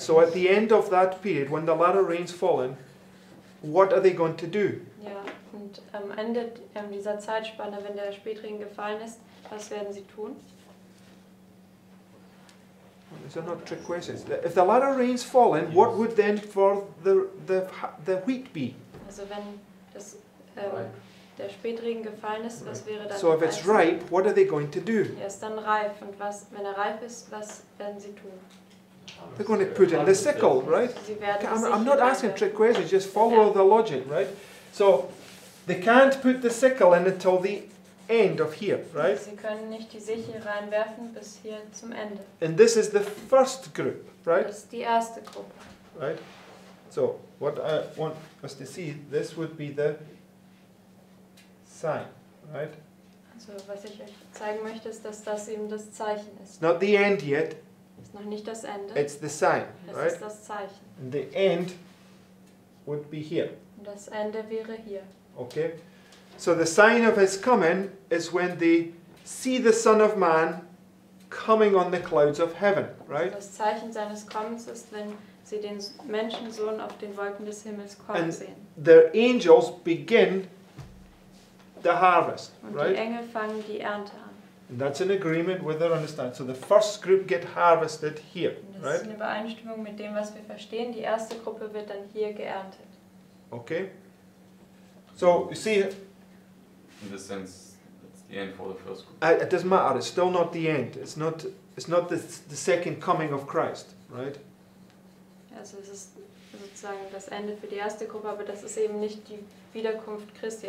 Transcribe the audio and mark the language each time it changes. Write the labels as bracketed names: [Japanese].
[English] So at the end of that period, when the latter rain's fallen, what are they going to do? [German] Ja, und am Ende dieser Zeitspanne, wenn der Spätregen gefallen ist, was werden sie tun? [English] These are not trick questions. If the latter rain's fallen, yes. What would then for the wheat be? [German] Also wenn das der Spätregen gefallen ist, was wäre dann? [English] So if it's ripe, what are they going to do? [German] Er ist dann reif und was, wenn reif ist, was werden sie tun? [English] They're going to put in the sickle, right? I'm not asking trick questions. Just follow the logic, right? So they can't put the sickle in until the end of here, right? [German] Sie können nicht die Sichel reinwerfen bis hier zum Ende. [English] And this is the first group, right? [German] Das ist die erste Gruppe. [English] Right. So what I want us to see, this would be the sign, right? [German] Also was ich euch zeigen möchte, ist, dass das eben das Zeichen ist. [English] Not the end yet. [German] Ist noch nicht das Ende. [English] It's the sign, [German] es [English] right? [German] Ist das Zeichen. [English] And the end would be here. [German] Und das Ende wäre hier. [English] Okay. So the sign of his coming is when they see the Son of Man coming on the clouds of heaven, right? [German] Das Zeichen seines Kommens ist, wenn sie den Menschensohn auf den Wolken des Himmels kommen [English] and [German] sehen. [English] And their angels begin the harvest, [German] und [English] right? [German] Die Engel fangen die Ernte an. [English] And that's in agreement with their understanding. So the first group get harvested here, [German] das [English] right? [German] Das ist in Übereinstimmung mit dem, was wir verstehen. Die erste Gruppe wird dann hier geerntet. [English] Okay. So you see. In this sense, it's the end for the first group. It doesn't matter. It's still not the end. It's not. It's not the second coming of Christ, right? [German] Also es ist sozusagen das Ende für die erste Gruppe, aber das ist eben nicht die Wiederkunft Christi.